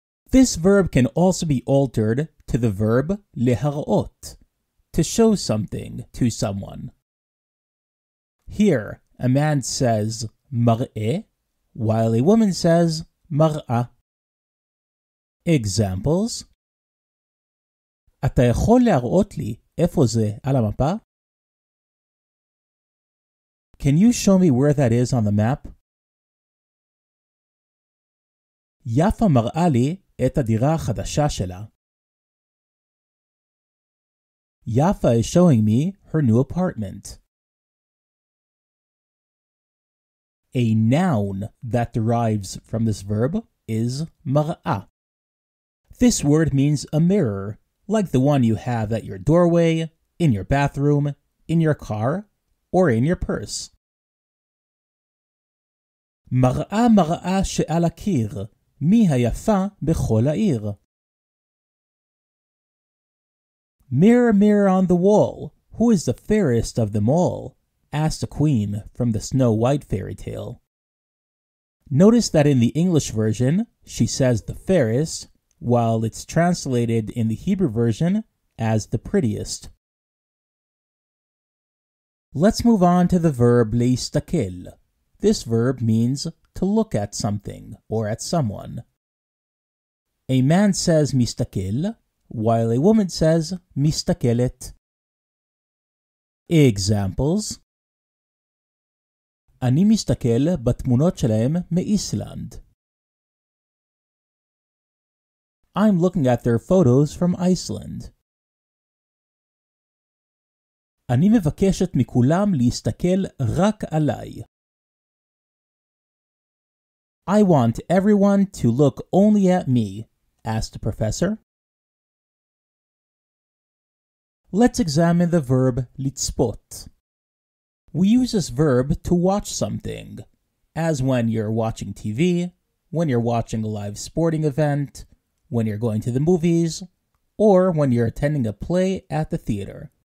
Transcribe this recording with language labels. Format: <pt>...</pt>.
<en>This verb can also be altered to the verb להראות, to show something to someone. Here, a man says מראה, while a woman says מראה. Examples?</en> <he>אתה יכול להראות לי איפה זה על המפה?</he> <en>Can you show me where that is on the map?</en> <he>יפה מראה לי את הדירה החדשה שלה.</he> <en>יפה is showing me her new apartment. A noun that derives from this verb is מראה. This word means a mirror, like the one you have at your doorway, in your bathroom, in your car, or in your purse.</en> <he>מראה מראה שעל הקיר, מי היפה בכל העיר?</he> <en>Mirror, mirror on the wall, who is the fairest of them all? Asked the queen from the Snow White fairy tale. Notice that in the English version, she says the fairest, while it's translated in the Hebrew version as the prettiest. Let's move on to the verb להסתכל. This verb means to look at something or at someone. A man says מסתכל, while a woman says מסתכלת. Examples.</en> <he>אני מסתכל בתמונות שלהם מאיסלנד.</he> <en>I'm looking at their photos from Iceland.</en> <he>אני מבקשת מכולם להסתכל רק עליי.</he> <en>I want everyone to look only at me, asked the professor. Let's examine the verb לצפות. We use this verb to watch something, as when you're watching TV, when you're watching a live sporting event, when you're going to the movies, or when you're attending a play at the theater.</en>